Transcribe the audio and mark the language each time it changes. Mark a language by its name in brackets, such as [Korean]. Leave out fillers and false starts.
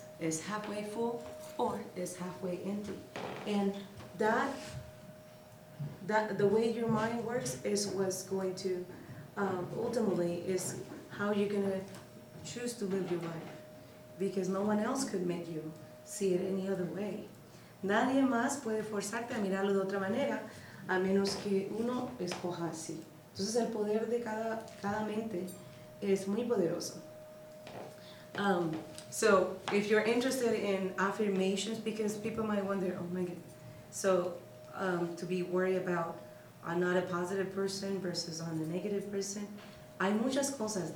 [English] is halfway full or is halfway empty. And that the way your mind works is what's going to ultimately is how you're gonna choose to live your life, because no one else could make you see it any other way. [Spanish] Nadie más puede forzarte a mirarlo de otra manera a menos que uno escoja así. Entonces el poder de cada mente es muy poderoso. [English] So if you're interested in affirmations, because people might wonder, oh my God, so to be worried about I'm not a positive person versus I'm a negative person, [Spanish] hay muchas cosas.